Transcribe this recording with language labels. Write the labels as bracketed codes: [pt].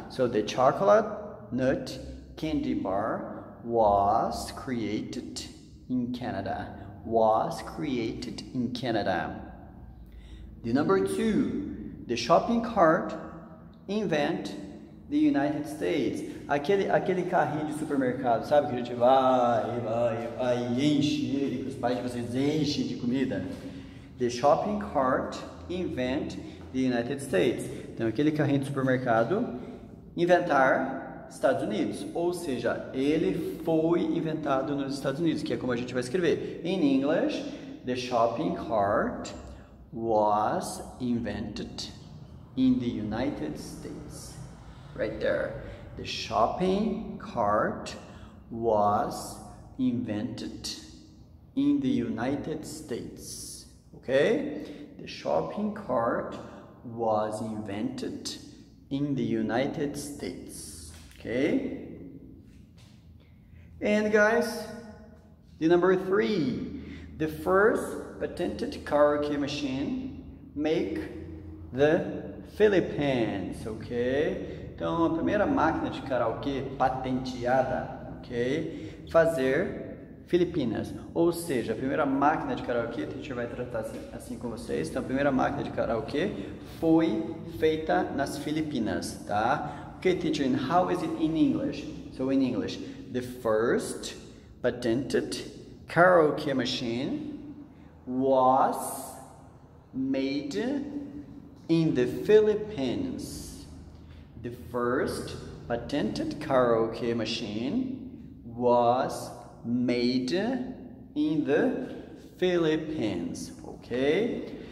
[en] So the chocolate nut candy bar was created in Canada. Was created in Canada. The number two, the shopping cart invent the United States. [pt] Aquele carrinho de supermercado, sabe? Que a gente vai, enche ele, que os pais de vocês enchem de comida. [en] The shopping cart invent the United States. [pt] Então, aquele carrinho de supermercado inventar Estados Unidos. Ou seja, ele foi inventado nos Estados Unidos, que é como a gente vai escrever. [en] In English, the shopping cart was invented in the United States. Right there, the shopping cart was invented in the United States. Okay? The shopping cart was invented in the United States. Okay? And guys, the number three, the first patented karaoke machine make the Philippines, ok? [pt] Então, a primeira máquina de karaokê patenteada, ok? Fazer Filipinas. Ou seja, a primeira máquina de karaokê, a gente vai tratar assim com vocês. Então, a primeira máquina de karaokê foi feita nas Filipinas, tá? [en] Ok, teacher, and how is it in English? So, in English, the first patented karaoke machine was made in the Philippines. The first patented karaoke machine was made in the Philippines. Okay?